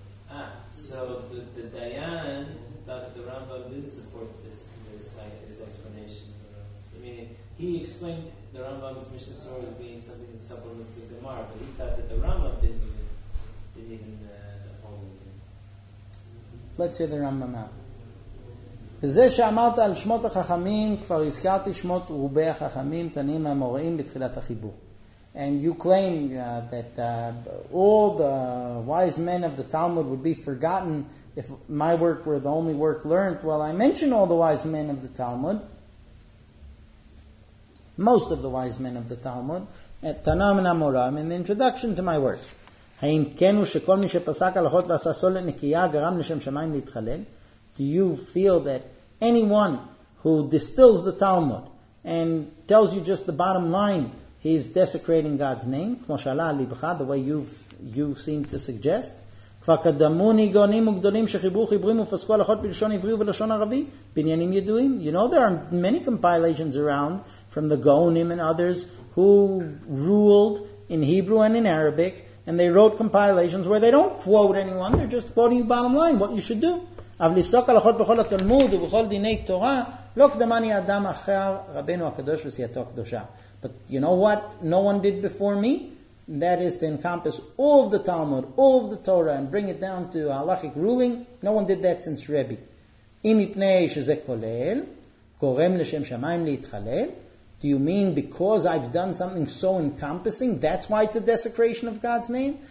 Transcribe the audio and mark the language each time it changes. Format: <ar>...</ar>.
<en>Ah, so the Dayan thought the Rambam didn't support this explanation. Meaning, he explained the Rambam's Mishnah Torah as being something that supplements the Gemara, but he thought that the Rambam didn't even hold it. Let's hear the Rambam now.</en> <he>וזה שאמרת על שמות החכמים, כבר הזכרתי שמות רובי החכמים, תנאים המוראים בתחילת החיבור.</he> <en>And you claim that all the wise men of the Talmud would be forgotten if my work were the only work learned. Well, I mention all the wise men of the Talmud, most of the wise men of the Talmud, at Tanam and Amoram, in the introduction to my work.</en> <he>האם כן הוא שכל מי שפסק הלכות ועשה סולת נקייה גרם לשם שמיים להתחלל?</he> <en>Do you feel that anyone who distills the Talmud and tells you just the bottom line, he's desecrating God's name,</en> <he>כמו שעלה הליבך,</he> <en>the way you seem to suggest?</en> <he>כבר קדמו ניגונים וגדולים שחיברו חיברים ופסקו הלכות בלשון עברי ובלשון ערבי, בעניינים ידועים.</he> <en>You know, there are many compilations around from the Gaonim and others who ruled in Hebrew and in Arabic, and they wrote compilations where they don't quote anyone, they're just quoting you bottom line, what you should do.</en> <he>אבל לפסוק הלכות בכל התלמוד ובכל דיני תורה, לא קדמני אדם אחר רבנו הקדוש וסייתו הקדושה.</he> <en>But you know what no one did before me? That is to encompass all of the Talmud, all of the Torah, and bring it down to halachic ruling. No one did that since Rebbe.</en> <he>Im ipnei sheze kolel, korem l'shem shamayim leitchalel.</he> <en>Do you mean because I've done something so encompassing, that's why it's a desecration of God's name?</en>